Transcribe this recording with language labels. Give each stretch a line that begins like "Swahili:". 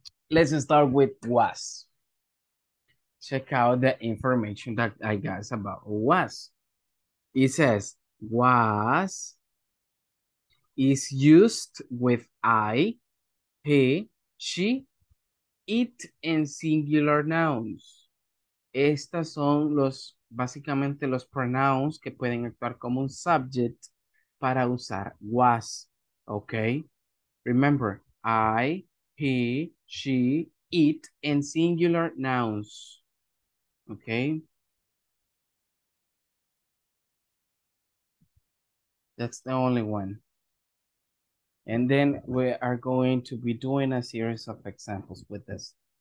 English: Let's start with was. Check out the information that I got about was. It says, was is used with I, he, she, it, and singular nouns.
Spanish: Estas son los, básicamente los pronouns que pueden actuar como un subject para usar was.
English: Okay? Remember, I, he, she, it, and singular nouns. Okay, that's the only one. And then we are going to be doing a series of examples with this.